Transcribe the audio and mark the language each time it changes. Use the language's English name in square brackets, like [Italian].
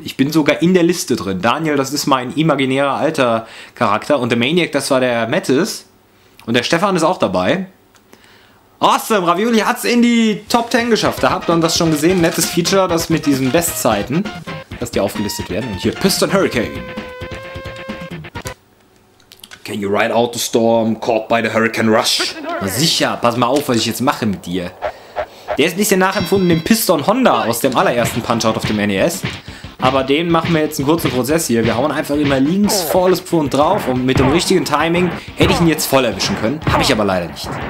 [German] Ich bin sogar in der Liste drin. Daniel, das ist mein imaginärer alter Charakter. Und der Maniac, das war der Mattis. Und der Stefan ist auch dabei. Awesome. Ravioli hat's in die Top 10 geschafft. Da habt ihr das schon gesehen. Nettes Feature, das mit diesen Bestzeiten. dass die aufgelistet werden. Und hier Piston Hurricane. [English] Can you ride out the storm, caught by the hurricane rush? [German] Sicher, pass mal auf, was ich jetzt mache mit dir. Der ist ein bisschen nachempfunden, dem Piston Honda aus dem allerersten Punch-Out auf dem NES. Aber den machen wir jetzt einen kurzen Prozess hier. Wir hauen einfach immer links volles Pfund drauf und mit dem richtigen Timing hätte ich ihn jetzt voll erwischen können. Habe ich aber leider nicht.